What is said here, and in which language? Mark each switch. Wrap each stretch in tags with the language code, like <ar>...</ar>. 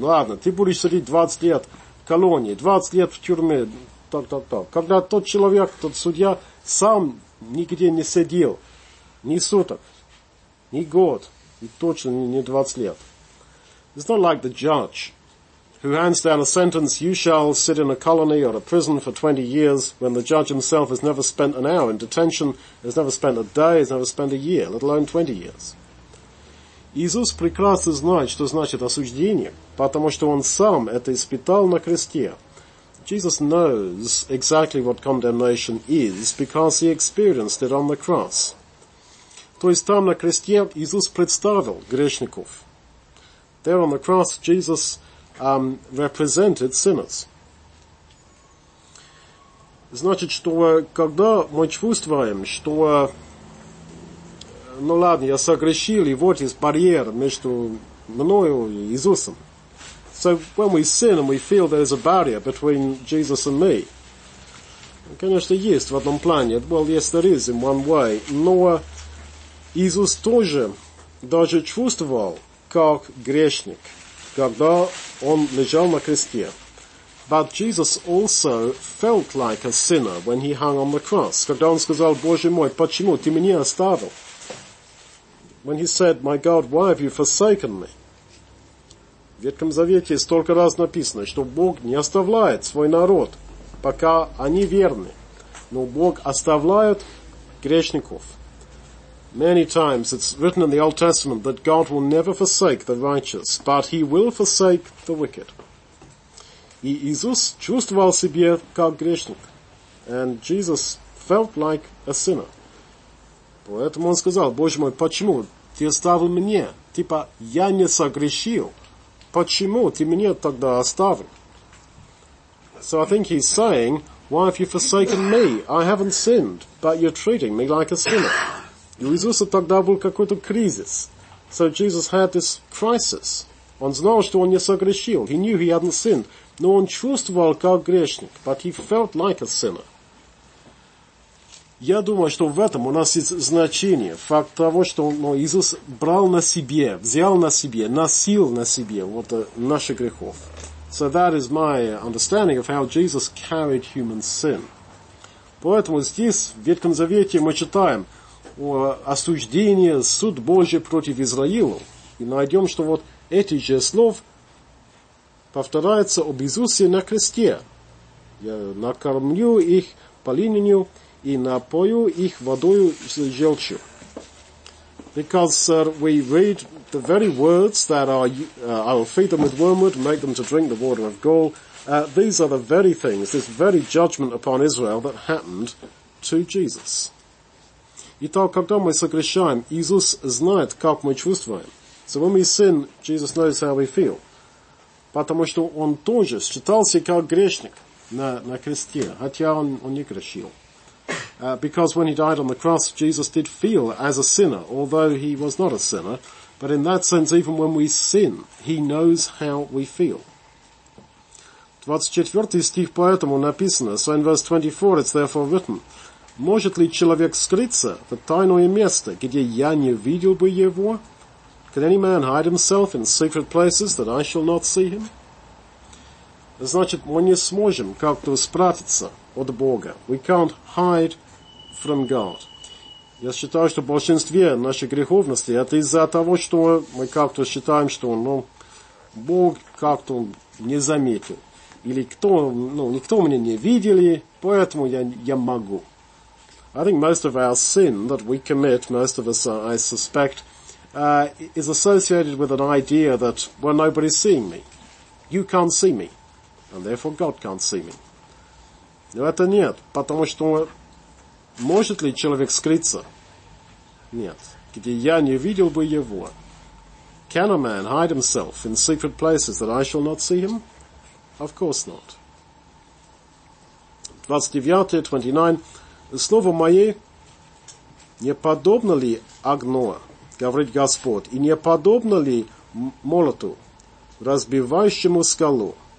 <ru>Ладно, ты будешь сидеть 20 лет в колонии, 20 лет в тюрьме, так. Когда тот человек, тот судья, сам нигде не сидел, ни суток, ни год. И точно не 20 лет.</ru> <en>It's not like the judge who hands down a sentence, you shall sit in a colony or a prison for 20 years, when the judge himself has never spent an hour in detention, has never spent a day, has never spent a year, let alone 20 years.</en> <ru>Иисус прекрасно знает, что значит осуждение, потому что он сам это испытал на кресте.</ru> <en>Jesus knows exactly what condemnation is because he experienced it on the cross.</en> <ru>То есть там на кресте Иисус представил грешников.</ru> <en>There on the cross Jesus represented sinners.</en> <ru>Значит, что когда мы чувствуем, что ну ладно, я согрешил, и вот есть барьер между мною и Иисусом.</ru> <en>So when we sin and we feel there is a barrier between Jesus and me.</en> <ru>Конечно, есть в одном плане.</ru> <en>Well, yes, there is in one way.</en> <ru>Но Иисус тоже даже чувствовал, как грешник, когда он лежал на кресте.</ru> <en>But Jesus also felt like a sinner when he hung on the cross.</en> <ru>Когда он сказал, Боже мой, почему ты меня оставил?</ru> <en>When he said, my God, why have you forsaken me?</en> <ru>В Ветхом Завете столько раз написано, что Бог не оставляет свой народ, пока они верны. Но Бог оставляет грешников.</ru> <en>Many times it's written in the Old Testament that God will never forsake the righteous, but he will forsake the wicked.</en> <ru>И Иисус чувствовал себя как грешник.</ru> <en>And Jesus felt like a sinner.</en> <ru>Поэтому он сказал, Боже мой, почему ты оставил меня? Типа, я не согрешил. Почему ты меня тогда оставил?</ru> <en>So I think he's saying, why have you forsaken me? I haven't sinned. but you're treating me like a sinner.</en> <ru>И у Иисуса тогда был какой-то кризис.</ru> <en>So Jesus had this crisis.</en> <ru>Он знал, что он не согрешил.</ru> <en>He knew he hadn't sinned.</en> <ru>Но он чувствовал, как грешник.</ru> <en>But he felt like a sinner.</en> <ru>Я думаю, что в этом у нас есть значение. Факт того, что Иисус брал на себе, взял на себе, носил на себе вот наши грехов.</ru> <en>So that is my understanding of how Jesus carried human sin.</en> <ru>Поэтому здесь, в Ветхом Завете, мы читаем о осуждении, суд Божий против Израилу. И найдем, что вот эти же слов повторяются об Иисусе на кресте. Я накормлю их полынью и напою их водою с желчью.</ru> <en>Because we read the very words that I will feed them with wormwood, make them to drink the water of gall. These are the very things, this very judgment upon Israel that happened to Jesus.</en> <ru>Итак, когда мы согрешаем, Иисус знает, как мы чувствуем.</ru> <en>So when we sin, Jesus knows how we feel.</en> <ru>Потому что он тоже считался как грешник на кресте, хотя он не грешил.</ru> <en>Because when he died on the cross, Jesus did feel as a sinner, although he was not a sinner. But in that sense, even when we sin, he knows how we feel.</en> <ru>24 стих поэтому написано,</ru> <en>so in verse 24 it's therefore written,</en> <ru>может ли человек скрыться в тайное место, где я не видел бы его?</ru> <en>Can any man hide himself in secret places that I shall not see him?</en> <ru>Значит, мы не сможем как-то спрятаться от Бога.</ru> <en>We can't hide from God.</en> <ru>Я считаю, что в большинстве нашей греховности это из-за того, что мы как-то считаем, что Бог как-то не заметил. Или никто меня не видел, поэтому я могу.</ru> <en>I think most of our sin that we commit, most of us, I suspect, is associated with an idea that, well, nobody's seeing me. You can't see me. And therefore God can't see me.</en> <ru>Но это нет, потому что может ли человек скрыться? Нет. Где я не видел бы его?</ru> <en>Can a man hide himself in secret places that I shall not see him? Of course not. 29.</en> <ru>Слово мое не подобно ли огню, говорит Господь, и не подобно ли молоту, разбивающему скалу?</ru>